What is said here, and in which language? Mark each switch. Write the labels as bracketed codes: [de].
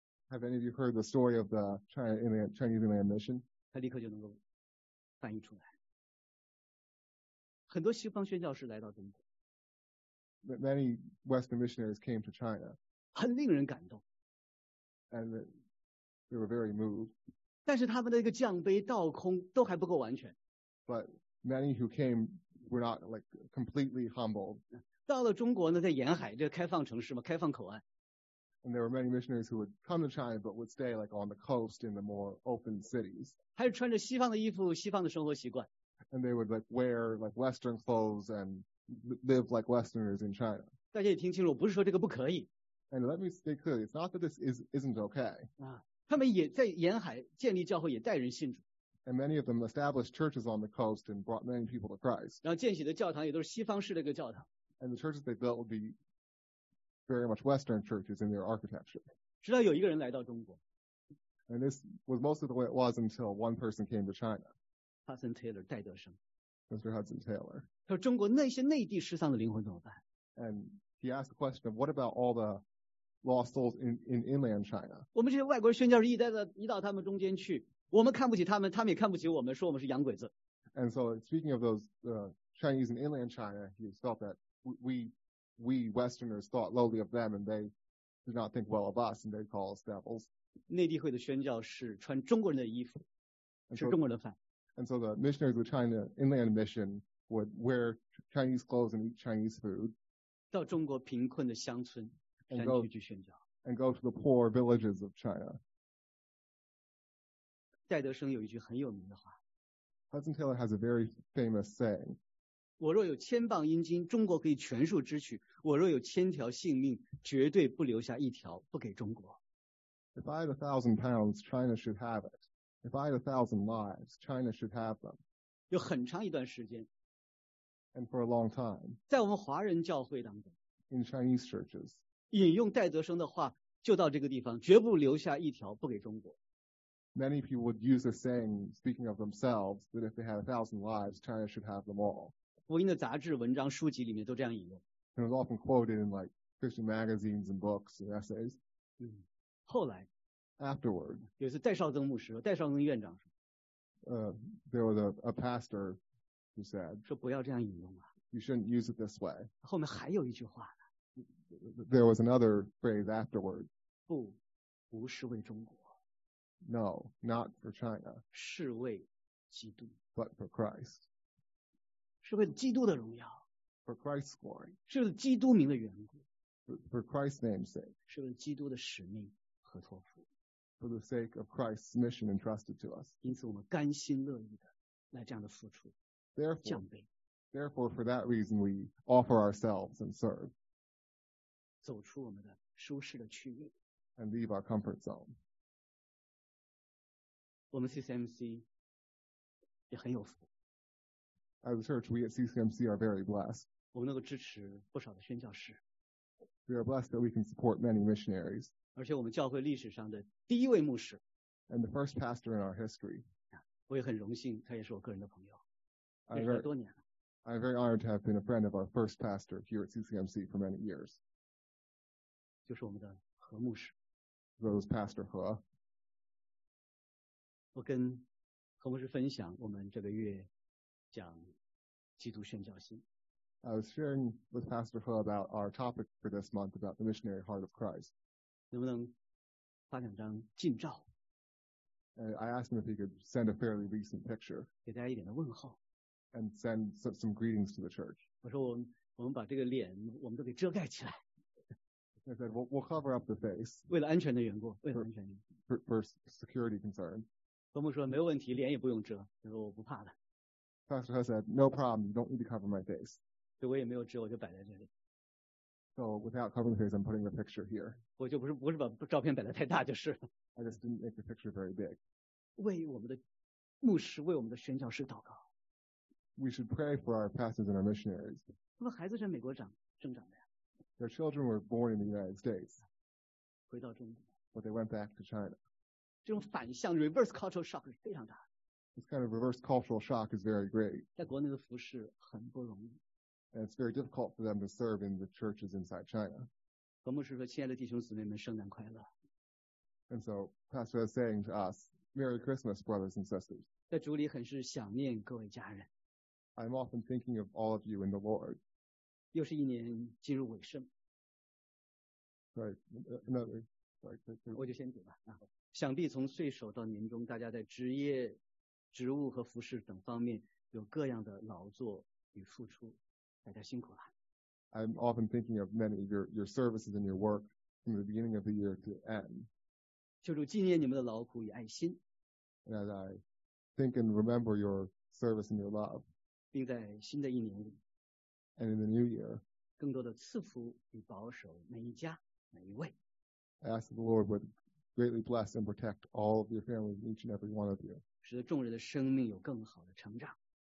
[en] Have any of you heard the story of the Chinese inland mission? [zh] 他立刻就能够翻译出来。很多西方宣教士来到中国。 [en] But many Western missionaries came to China. [zh] 很令人感动。 [en] And they were very moved. [zh] 但是他们的一个降卑倒空都还不够完全。 [en] But many who came were not like completely humbled. [zh] 到了中国呢，在沿海这个开放城市嘛，开放口岸。 [en] And there were many missionaries who would come to China, but would stay like on the coast in the more open cities. [zh] 还是穿着西方的衣服，西方的生活习惯。 [en] And they would like wear like Western clothes and live like Westerners in China. [zh] 大家也听清楚，不是说这个不可以。 [en] And let me stay clear. It's not that this isn't okay. [zh] 他们也在沿海建立教会，也带人信主。 [en] And many of them established churches on the coast and brought many people to Christ. [zh] 然后建起的教堂也都是西方式的一个教堂。 [en] And the churches they built would be very much Western churches in their architecture. [zh] 直到有一个人来到中国。 [en] And this was mostly the way it was until one person came to China. [zh] Hudson Taylor, 戴德生。 [en] Mr. Hudson Taylor. [zh] 他说中国那些内地失丧的灵魂怎么办？ [en] And he asked the question of what about all the lost souls in inland China? [zh] 我们这些外国宣教士一到他们中间去，我们看不起他们，他们也看不起我们，说我们是洋鬼子。 [en] And so speaking of those Chinese in inland China, he felt that we Westerners thought lowly of them, and they did not think well of us, and they call us devils. [zh] 内地会的宣教士穿中国人的衣服，吃中国人的饭。 [en] And so the missionaries of the China Inland Mission would wear Chinese clothes and eat Chinese food. [zh] 到中国贫困的乡村山区去宣教。 [en] And go to the poor villages of China. [zh] 戴德生有一句很有名的话。 [en] Hudson Taylor has a very famous saying. [zh] 我若有千磅阴金，中国可以全数支取；我若有千条性命，绝对不留下一条不给中国。 [en] If I had 1,000 pounds, China should have it. If I had 1,000 lives, China should have them. [zh] 有很长一段时间。 [en] And for a long time. [zh] 在我们华人教会当中。 [en] In Chinese churches. [zh] 引用戴德生的话，就到这个地方，绝不留下一条不给中国。 [en] Many people would use the saying, speaking of themselves, that if they had 1,000 lives, China should have them all. [zh] 福音的杂志、文章、书籍里面都这样引用。 [en] It was often quoted in like Christian magazines and books and essays. [zh] 嗯。后来 [en] afterward, [zh] 有一次戴绍增牧师说，戴绍增院长说、 [en] there was a pastor who said, [zh] 说不要这样引用啊， [en] you shouldn't use it this way. [zh] 后面还有一句话呢， [en] there was another phrase afterward, [zh] 不，不是为中国， [en] no, not for China, [zh] 是为基督， [en] but for Christ, [zh] 是为基督的荣耀， [en] for Christ's glory, [zh] 是为基督名的缘故， [en] for Christ's name's sake, [zh] 是为基督的使命和托付。 [en] For the sake of Christ's mission entrusted to us. [zh] 因此我们甘心乐意的来这样的付出。 [en] Therefore, for that reason, we offer ourselves and serve. [zh] 走出我们的舒适的区域。 [en] And leave our comfort zone. [zh] 我们 CCMC 也很有福。 [en] As a church, we at CCMC are very blessed. [zh] 我们能够支持不少的宣教士。 [en] We are blessed that we can support many missionaries. [zh] 而且我们教会历史上的第一位牧师。 [en] And the first pastor in our history. [zh] 我也很荣幸，他也是我个人的朋友。 [en] I'm very, [zh] 认识了多年了。 [en] I'm very honored to have been a friend of our first pastor here at CCMC for many years. [zh] 就是我们的何牧师。 [en] That was Pastor He. [zh] 我跟何牧师分享我们这个月讲基督宣教心。 [en] I was sharing with Pastor He about our topic for this month about the missionary heart of Christ. [zh] 能不能发两张近照？ [en] I asked him if he could send a fairly recent picture. [zh] 给大家一点的问候。 [en] And send some greetings to the church. [zh] 我说我们把这个脸我们都给遮盖起来。 [en] I said, we'll cover up the face. [zh] 为了安全的缘故，为了安全的缘故。 [en] For security concern. [zh] 何牧说没有问题，脸也不用遮。他说我不怕的。 [en] Pastor He said, no problem, you don't need to cover my face. [zh] 对，我也没有遮，我就摆在这里。 [en] So without covering the face, I'm putting the picture here. [zh] 我就不是把照片摆得太大就是。 [en] I just didn't make the picture very big. [zh] 为我们的牧师，为我们的宣教士祷告。 [en] We should pray for our pastors and our missionaries. [zh] 他们孩子在美国生长的呀。 [en] Their children were born in the United States. [zh] 回到中国。 [en] But they went back to China. [zh] 这种反向 [en] reverse cultural shock [zh] 是非常大。 [en] This kind of reverse cultural shock is very great. [zh] 在国内的服事很不容易。 [en] And it's very difficult for them to serve in the churches inside China. [zh] 何牧师说，亲爱的弟兄姊妹们，圣诞快乐。 [en] And so Pastor is saying to us, Merry Christmas, brothers and sisters. [zh] 在主里很是想念各位家人。 [en] I'm often thinking of all of you in the Lord. [zh] 又是一年进入尾声。 [en] Right, another. Sorry. [zh] 我就先读吧。想必从岁首到年终，大家在职业、职务和服事等方面有各样的劳作与付出。大家辛苦了。 [en] I'm often thinking of many of your services and your work from the beginning of the year to end. [zh] 求主纪念你们的劳苦与爱心。 [en] And as I think and remember your service and your love, [zh] 并在新的一年里 [en] and in the new year, [zh] 更多的赐福与保守每一家每一位。 [en] I ask that the Lord would greatly bless and protect all of your families, each and every one of you. [zh] 使得众人的生命有更好的成长。